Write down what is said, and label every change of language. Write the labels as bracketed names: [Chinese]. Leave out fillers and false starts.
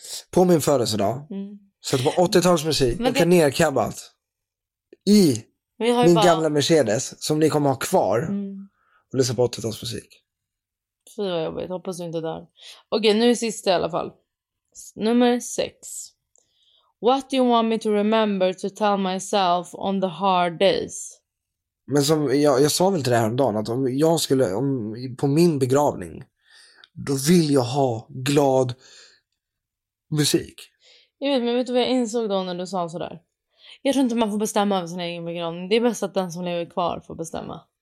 [Swedish] På min födelsedag. Mm. Sätt på 80-talsmusik. Men jag nerkabbat. I min gamla Mercedes som ni kommer ha kvar. Mm. Och lyssna på 80-talsmusik. Fy vad jobbigt, hoppas du inte där. Okej, nu är sista i alla fall. Nummer 6. [English] What do you want me to remember to tell myself on the hard days? [Swedish] Men som jag sa väl till det här om dagen, att om jag skulle, om, på min begravning, då vill jag ha glad musik. Jag vet, men vet du vad jag insåg då när du sa sådär? Jag tror inte man får bestämma över sin egen begravning. Det är bäst att den som lever kvar får bestämma.